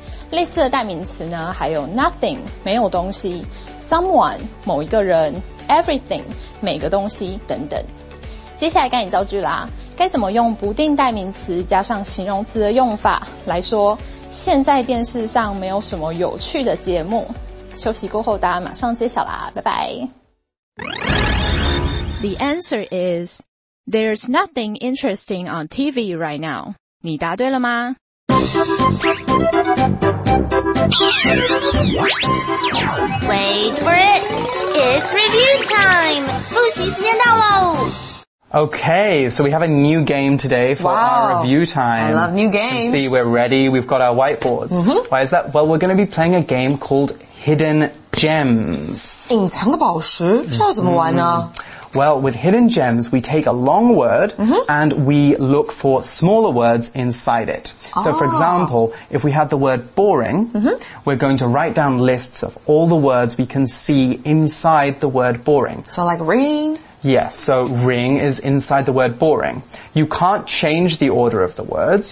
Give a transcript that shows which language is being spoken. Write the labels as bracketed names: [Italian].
[Chinese] 类似的代名词呢还有 nothing 没有东西， someone 某一个人， everything 每个东西等等。接下来该你造句啦，该怎么用不定代名词加上形容词的用法来说现在电视上没有什么有趣的节目？休息过后大家马上揭晓啦，拜拜。 [English] The answer is, there's nothing interesting on TV right now. [Chinese] 你答对了吗？ [English] Wait for it. It's review time. [Chinese] 复习时间到喽。 [English] Okay, so we have a new game today for our review time. I love new games. See, we're ready. We've got our whiteboards. Mm-hmm. Why is that? Well, we're going to be playing a game called Hidden Gems. [Chinese] 隐藏的宝石，这要怎么玩呢？ [English] Well, with hidden gems, we take a long word, mm-hmm. and we look for smaller words inside it. So, for example, if we have the word boring, mm-hmm. we're going to write down lists of all the words we can see inside the word boring. So, like ring? Yes, so ring is inside the word boring. You can't change the order of the words.